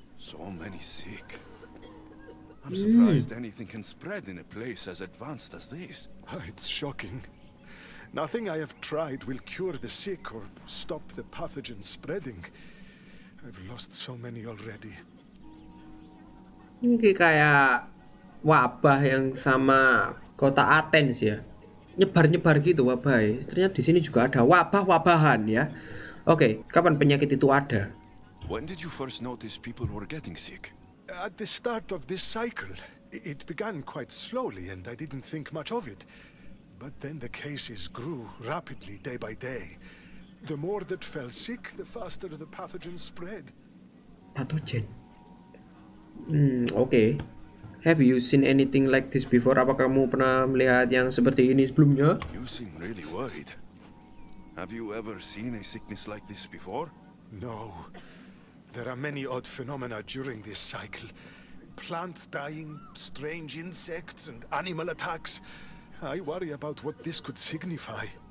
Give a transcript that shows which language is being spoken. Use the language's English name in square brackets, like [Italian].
[English] So many sick. I'm surprised anything can spread in a place as advanced as this. It's shocking. Nothing I have tried will cure the sick or stop the pathogen spreading. I've lost so many already. [Indonesian] Ini kayak wabah yang sama kota Athens ya. Nyebar-nyebar gitu wabah. Ternyata di sini juga ada wabah-wabahan ya. Oke, kapan penyakit itu ada? [English] When did you first notice people were getting sick? At the start of this cycle. It began quite slowly and I didn't think much of it. But then the cases grew rapidly day by day. The more that fell sick, the faster the pathogen spread. Pathogen. Oke. Have you seen anything like this before? [Indonesian] Apakah kamu pernah melihat yang seperti ini sebelumnya? [English] You seem really worried. Have you ever seen a sickness like this before? No. There are many odd phenomena during this cycle. Plants dying, strange insects and animal attacks. I worry about what this could signify.